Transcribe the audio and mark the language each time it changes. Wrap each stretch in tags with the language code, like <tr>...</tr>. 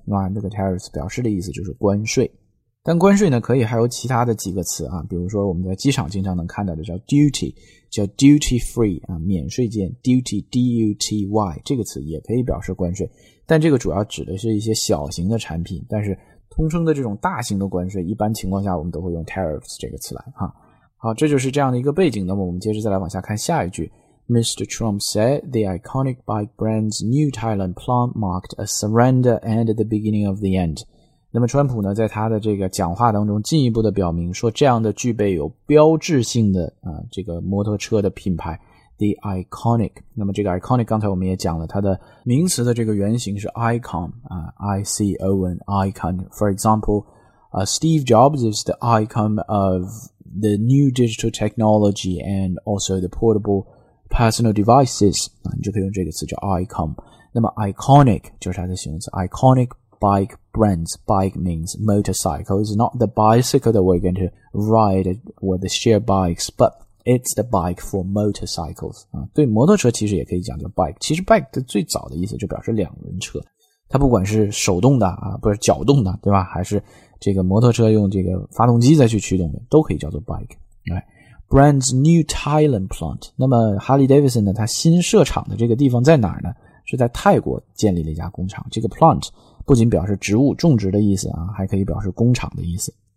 <zh>那、啊、这个 tariffs 表示的意思就是关税。但关税呢可以还有其他的几个词啊，比如说我们在机场经常能看到的叫 duty, 叫 duty free,、啊、免税店 ,duty, duty, 这个词也可以表示关税。但这个主要指的是一些小型的产品，但是通称的这种大型的关税一般情况下我们都会用 tariffs 这个词来、啊、好，这就是这样的一个背景。那么我们接着再来往下看下一句。</zh> <en>Mr. Trump said the iconic bike brand's new Thailand plant marked a surrender and the beginning of the end.</en> <zh>那么川普呢在他的这个讲话当中进一步的表明说，这样的具备有标志性的、啊、这个摩托车的品牌 the iconic, 那么这个 iconic 刚才我们也讲了它的名词的这个原型是 icon,I-C-O-N, icon.</zh> <en>For example,Steve Jobs is the icon of the new digital technology and also the portable personal devices.、啊、</en> <zh>你就可以用这个词叫</zh> <en>icon.</en> <zh>那么 iconic 就是它的形容词。</zh> <en>Iconic bike brands. Bike means motorcycle. It's not the bicycle that we're going to ride with the share bikes, but it's the bike for motorcycles.、啊、</en> <zh>对摩托车其实也可以讲叫 bike. 其实 bike 的最早的意思就表示两轮车。它不管是手动的啊，不是脚动的，对吧？还是这个摩托车用这个发动机再去驱动的，都可以叫做 bike。</zh> <en>Brand's new Thailand plant。</en> <zh>那么 Harley Davidson 呢，它新设厂的这个地方在哪儿呢？是在泰国建立了一家工厂。这个 plant 不仅表示植物种植的意思啊，还可以表示工厂的意思。</zh>